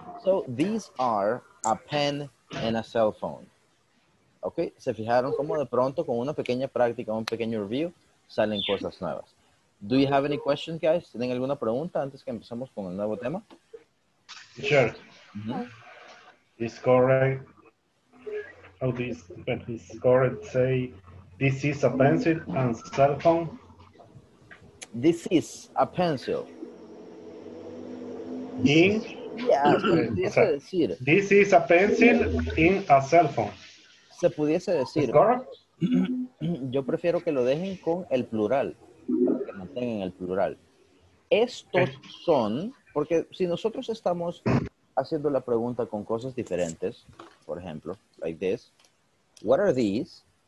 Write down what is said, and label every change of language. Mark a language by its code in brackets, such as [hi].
[en] So these are a pen and a cell phone. [es] Ok, se fijaron cómo de pronto con una pequeña práctica, un pequeño review, salen cosas nuevas. [en] Do you have any questions, guys? [es] ¿Tienen alguna pregunta antes que empecemos con el nuevo tema? [en] Sure. Mm-hmm. Is correct. How this pen is correct? Say, this is a pencil and cell phone. This is a pencil. In? Yeah, this is a pencil in a cell phone. [es] Se pudiese decir. Yo prefiero que lo dejen con el plural. Que mantengan el plural. Estos son, porque si nosotros estamos haciendo la pregunta con cosas diferentes, por ejemplo, [en] like this, what are these?